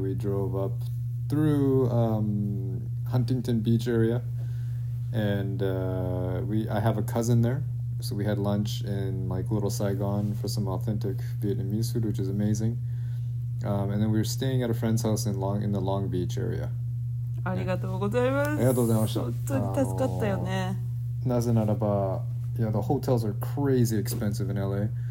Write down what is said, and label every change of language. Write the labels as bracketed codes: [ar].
[en] We drove up through Huntington Beach area, and I have a cousin there. So we had lunch in like Little Saigon for some authentic Vietnamese food, which is amazing. And then we were staying at a friend's house in the Long Beach area. [ja] ありがとうございます。ありがとうございました。本当に助かったよね。なぜならば、 [en] yeah, the hotels are crazy expensive in LA.